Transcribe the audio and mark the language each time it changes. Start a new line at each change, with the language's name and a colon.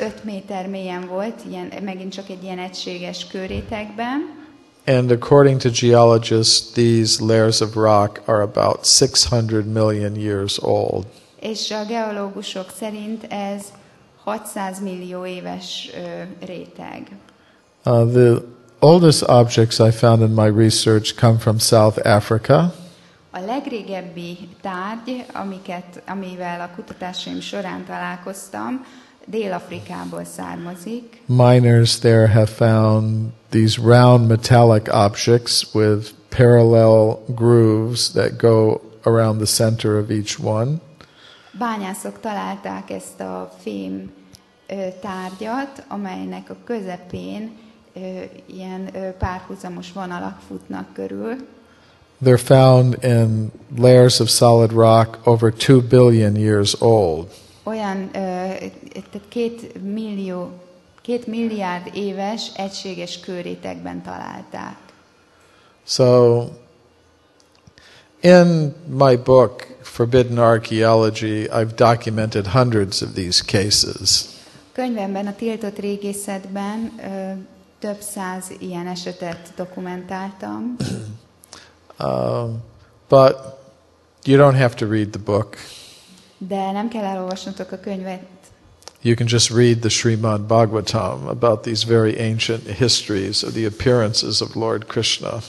Hungarian: 5 méter mélyen volt, ilyen, megint csak egy ilyen egységes kőrétegben.
English: And according to geologists, these layers of rock are about 600 million years old.
Hungarian: És a geológusok szerint ez 600 millió éves réteg.
English: The oldest objects I found in my research come from South Africa.
Hungarian: A legrégebbi tárgy, amivel a kutatásaim során találkoztam, Dél-Afrikából származik.
English: Miners there have found these round metallic objects with parallel grooves that go around the center of each one.
Hungarian: Bányászok találták ezt a fém tárgyat, amelynek a közepén ilyen párhuzamos vonalak futnak körül.
English: They're found in layers of solid rock over 2 billion years old.
Hungarian: Olyan, tehát 2 milliárd éves egységes kőrétegben találták.
English: So, in my book, Forbidden Archaeology, I've documented hundreds of these cases.
Hungarian: Könyvemben, a tiltott régészetben több száz ilyen esetet dokumentáltam.
English: But you don't have to read the book.
Hungarian: De nem kell elolvasnotok a könyvet.
English: You can just read the Srimad Bhagavatam about these very ancient histories of the appearances of Lord Krishna.